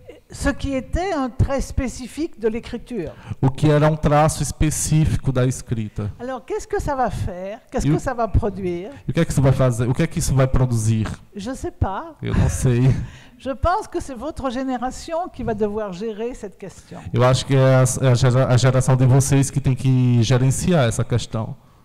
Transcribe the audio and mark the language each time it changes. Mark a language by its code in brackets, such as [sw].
[fr] Ce qui était un trait spécifique de l'écriture. [pt] O que era um traço específico da escrita. [fr] Alors, qu'est-ce que ça va faire? Qu'est-ce que ça va produire? [pt] O que é que isso vai fazer? O que é que isso vai produzir? [fr] Je sais pas. [pt] Eu não sei. [fr] Je pense que c'est votre génération qui va devoir gérer cette question. [pt] Eu acho que é a geração de vocês que tem que gerenciar essa questão.